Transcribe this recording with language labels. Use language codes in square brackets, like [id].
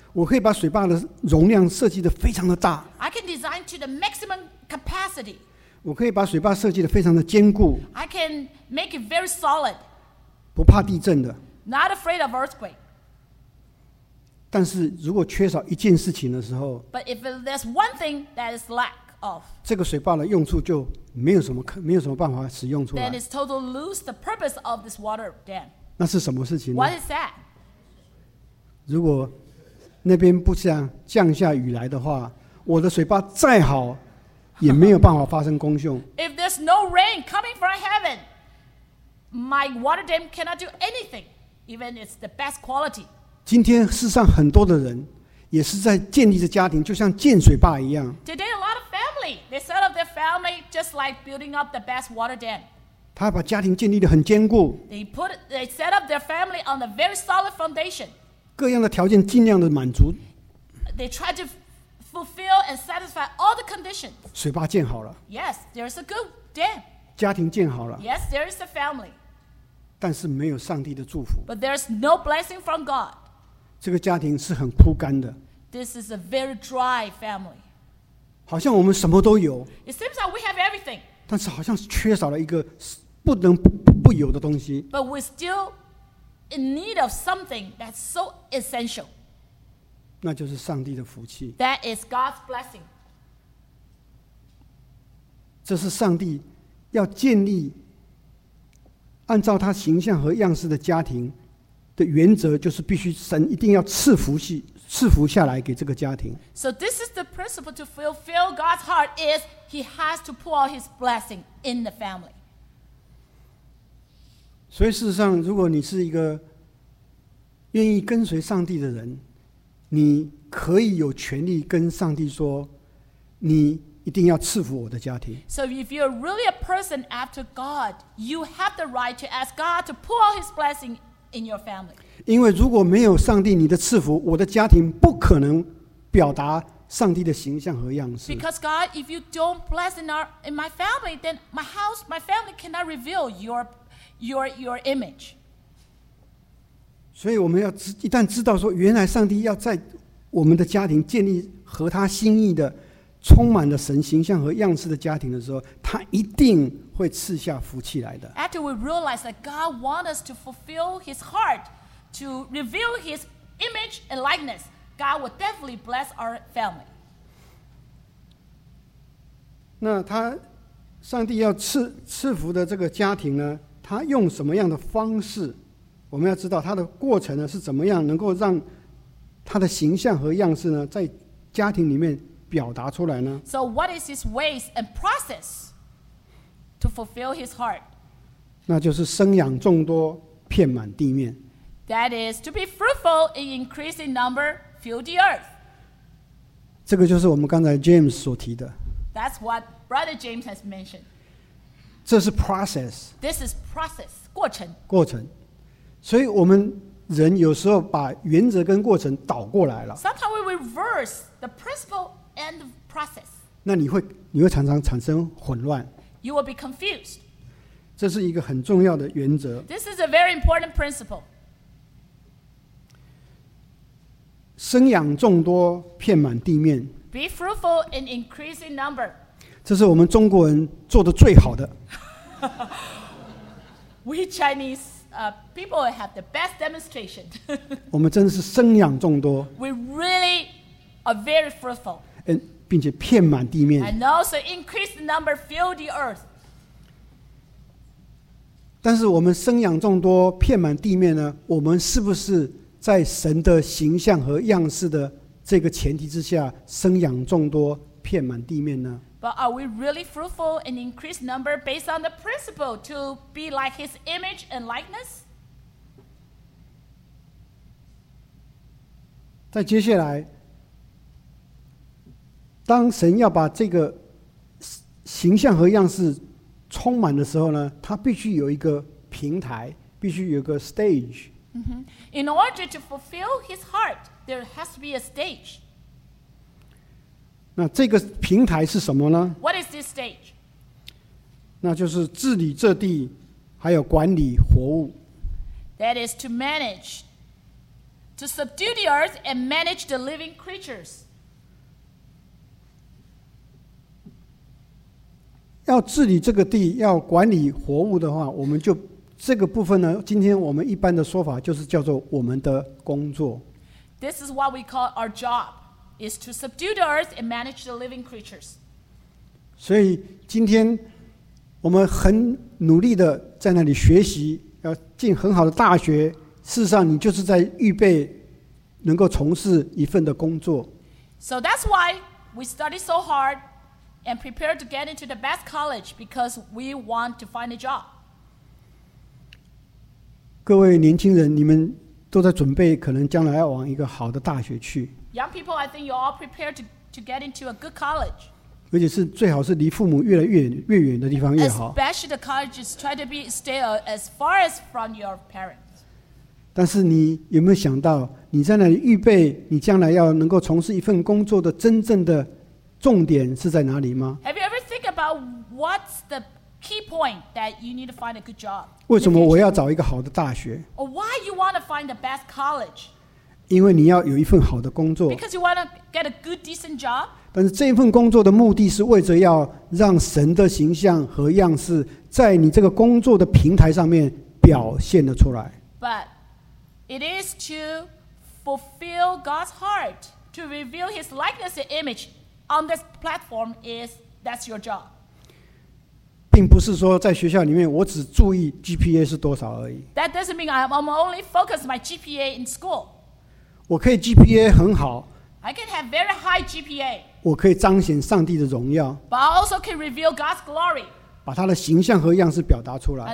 [zh] 我可以把水坝的容量设计的非常的大。 [en] I can design to the maximum capacity. [zh] 我可以把水坝设计的非常的坚固。 [en] I can make it very solid. [zh] 不怕地震的。 [en] Not afraid of earthquake. [zh] 但是如果缺少一件事情的时候， [en] But if there's one thing that is lack of, [zh] 这个水坝的用处就没有什么办法使用出来。 [en] Then it's totally lose the purpose of this water dam. [zh] 那是什么事情呢？ [en] What is that? [zh] 如果那边不想降下雨来的话，我的水坝再好也没有办法发生功用。 [en] If there's no rain coming from heaven,My water dam cannot do anything, even if it's the best quality. [zh] 今天世上很多的人也是在建立着家庭，就像建水坝一样。 [en] Today, a lot of family, they set up their family just like building up the best water dam. [zh] 他把家庭建立得很坚固。 [en] They set up their family on a very solid foundation. [zh] 各样的条件尽量的满足。 [en] They try to fulfill and satisfy all the conditions. [zh] 水坝建好了。 [en] Yes, there's a good dam. [zh] 家庭建好了。 [en] Yes, there is a family. [zh] 但是没有上帝的祝福。 [en] But there's no blessing from God. [zh] 这个家庭是很枯干的。 [en] This is a very dry family. [zh] 好像我们什么都有。 [en] It seems like we have everything. [zh] 但是好像是缺少了一个不能 不有的东西。 [en] But we're still in need of something that's so essential. [zh] 那就是上帝的福气。 [en] That is God's blessing. [zh] 这是上帝要建立按照他形象和样式的家庭的原则，就是必须神一定要赐福下来给这个家庭。 [en] So this is the principle to fulfill God's heart is he has to pour out his blessing in the family. [zh] 所以事实上，如果你是一个愿意跟随上帝的人，你可以有权利跟上帝说，你一定要赐福我的家庭。 [en] So if you're really a person after God, you have the right to ask God to pour out His blessing in your family. [zh] 因为如果没有上帝你的赐福，我的家庭不可能表达上帝的形象和样式。 [en] Because God, if you don't bless in my family, then my house, my family cannot reveal your image. [zh] 所以我们要一旦知道说，原来上帝要在我们的家庭建立合他心意的。充满了神形象和样式的家庭的时候，他一定会赐下福气来的。 [en] After we realize that God wants us to fulfill His heart, to reveal His image and likeness, God will definitely bless our family. [zh] 那他，上帝要赐福的这个家庭呢？他用什么样的方式？我们要知道他的过程呢是怎么样，能够让他的形象和样式呢在家庭里面。表达出来呢？ [en] So what is his ways and process? to fulfill his heart. [zh] 那就是生养众多，遍满地面。 [en] That is to be fruitful and increase in number, fill the earth. [zh] 这个就是我们刚才 James 所提的。 [en] That's what Brother James has mentioned. [zh] 这是 process. [en] This is process, 过程。 [zh] 过程。所以我们人有时候把原则跟过程倒过来了。 [en] Sometimes we reverse the principle and the process. [zh] 那你会常常产生混乱。 [en] You will be confused. [zh] 这是一个很重要的原则。 [en] This is a very important principle. [zh] 生养众多，遍满地面。 [en] Be fruitful and increase in number. [zh] 这是我们中国人做的最好的。 [en] We Chinese people have the best demonstration. [zh] 我们真的是生养众多。 [en] We really are very fruitful. [zh] 并且遍满地面。 [en] And also increase the number, fill the earth. [zh] 但是我们生养众多，遍满地面呢？我们是不是？在神的形象和样式的这个前提之下，生养众多，遍满地面呢？ [en] But are we really fruitful and increase number based on the principle to be like His image and likeness? [zh] 在接下来，当神要把这个形象和样式充满的时候呢，他必须有一个平台，必须有一个 stage。 [en] In order to fulfill his heart, there has to be a stage. [zh] 那这个平台是什么呢？ [en] What is this stage? [zh] 那就是治理这地，还有管理活物。 [en] That is to manage, to subdue the earth and manage the living creatures. [zh] 要治理这个地，要管理活物的话，我们就这个部分呢，今天我们一般的说法就是叫做我们的工作。 [en] This is what we call our job, is to subdue the earth and manage the living creatures. [zh] 所以今天我们很努力的在那里学习，要进很好的大学。事实上，你就是在预备能够从事一份的工作。 [en] So that's why we study so hard and prepare to get into the best college because we want to find a job. [zh] 各位年轻人，你们都在准备，可能将来要往一个好的大学去。 [en] Young people, I think you're all prepared to get into a good college. [zh] 而且是最好是离父母越来越远越远的地方越好。 [en] Especially the colleges try to be stay as far as from your parents. [zh] 但是你有没有想到，你在那里预备你将来要能够从事一份工作的真正的重点是在哪里吗 [en] ？Have you ever think about what's the key point that you need to find a good job? [zh] 为什么我要找一个好的大学 [en] ？Or why you want to find the best college? [zh] 因为你要有一份好的工作。 [en] Because you want to get a good, decent job. [zh] 但是这一份工作的目的是为着要让神的形象和样式在你这个工作的平台上面表现得出来。 [en] But it is to fulfill God's heart to reveal His likeness and image on this platform. Is that's your job? [zh] 并不是说在学校里面我只注意 GPA 是多少而已。 [en] That doesn't mean I'm only focus my GPA in school. [zh] 我可以 GPA 很好。 [en] I can have very high GPA. [zh] 我可以彰显上帝的荣耀。 [en] But I also can reveal God's glory. [zh] 把他的形象和样式表达出来。